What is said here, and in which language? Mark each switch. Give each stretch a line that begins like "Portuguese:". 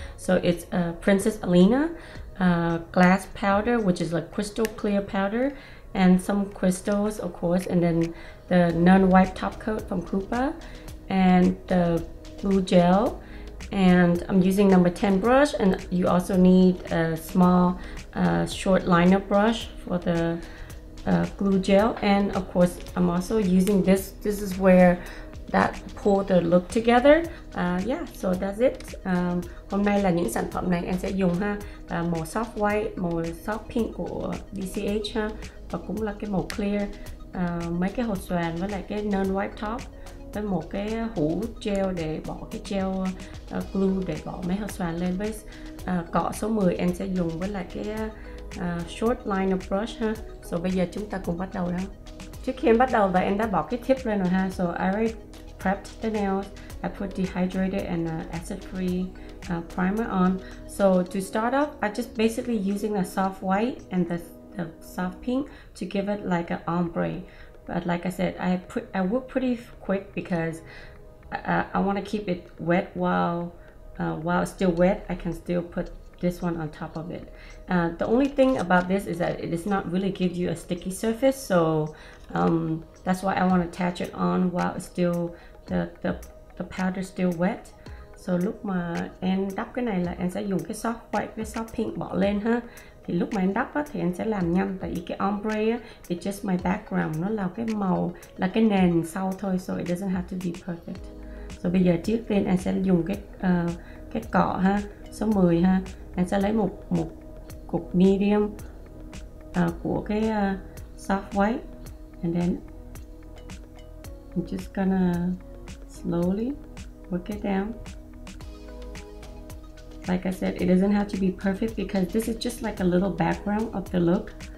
English: So it's a Princess Alina glass powder, which is like crystal clear powder, and some crystals, of course, and then the Nun White top coat from Koopa, and the blue gel. And I'm using number 10 brush, and you also need a small short liner brush for the glue gel. And of course, I'm also using this is where that pull the look together. Yeah, so that's it.
Vietnamese: Hôm nay là những sản phẩm này em sẽ dùng ha, màu soft white, màu soft pink của DCH ha, và cũng là cái màu clear, mấy cái hột xoàn với lại cái non white top, với một cái hũ gel để bỏ cái gel glue để bỏ mấy hạt xoàn lên, với cọ số 10 em sẽ dùng với lại cái short liner brush ha. So bây giờ chúng ta cùng bắt đầu nha. Trước khi em bắt đầu, và em đã bỏ cái tip lên rồi ha.
English: So I already prepped the nails. I put dehydrated and acid free primer on. So to start off, I just basically using a soft white and the soft pink to give it like an ombre. But like I said, I work pretty quick because I want to keep it wet while it's still wet. I can still put this one on top of it. The only thing about this is that it does not really give you a sticky surface, so that's why I want to attach it on while it's still the powder still wet.
Vietnamese: So lúc mà em đắp cái này là em sẽ dùng cái soft white với soft pink bỏ lên ha. Thì lúc mà em đắp á, thì em sẽ làm nhanh, tại vì cái ombre á,
English: it's just my background,
Vietnamese: nó là cái màu, là cái nền sau thôi,
English: so it doesn't have to be perfect.
Vietnamese: So bây giờ trước tiên em sẽ dùng cái cọ ha, số 10 ha, em sẽ lấy một cục medium của cái soft white,
English: and then I'm just gonna slowly work it down. Like I said, it doesn't have to be perfect because this is just like a little background of the look.